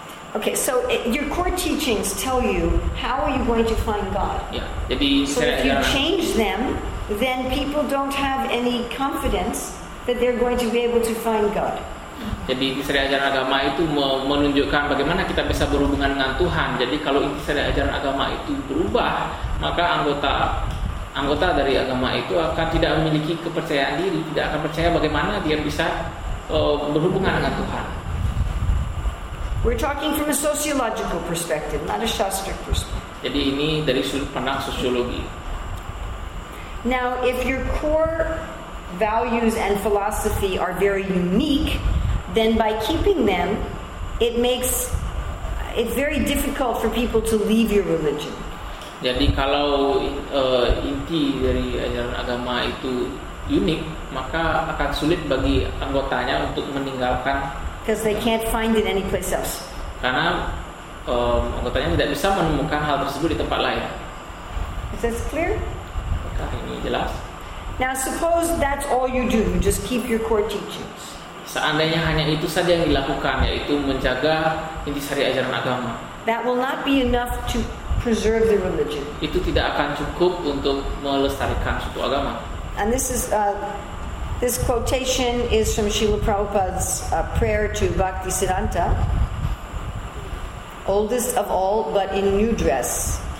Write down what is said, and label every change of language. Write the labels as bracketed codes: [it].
[en] Okay, so your core teachings tell you how are you going to find God. [id] Yeah, jadi [en] so if you change them, then people don't have any confidence that they're going to be able to find God. [id] Jadi intisari ajaran agama itu menunjukkan bagaimana kita bisa berhubungan dengan Tuhan. Jadi kalau intisari ajaran agama itu berubah, maka anggota dari agama itu akan tidak memiliki kepercayaan diri, tidak akan percaya bagaimana dia bisa berhubungan dengan Tuhan. [en] We're talking from a sociological perspective, not a shastric perspective. [id] Jadi ini dari sudut pandang sosiologi. [en] Now, if your core values and philosophy are very unique, then by keeping them, it makes it very difficult for people to leave your religion. [id] Jadi kalau inti dari ajaran agama itu unik, maka akan sulit bagi anggotanya untuk meninggalkan. [en] Because they can't find it any place else. [id] Karena anggotanya tidak bisa menemukan hal tersebut di tempat lain. [en] Is this clear? [id] Apakah ini jelas? [en] Now suppose that's all you do, you just keep your core teachings. [id] Seandainya hanya itu saja yang dilakukan, yaitu menjaga intisari ajaran agama. [en] That will not be enough to preserve the religion. [id] Itu tidak akan cukup untuk melestarikan suatu agama. [en] And this is this quotation is from Srila Prabhupada's prayer to Bhaktisiddhanta, oldest of all, but in new dress.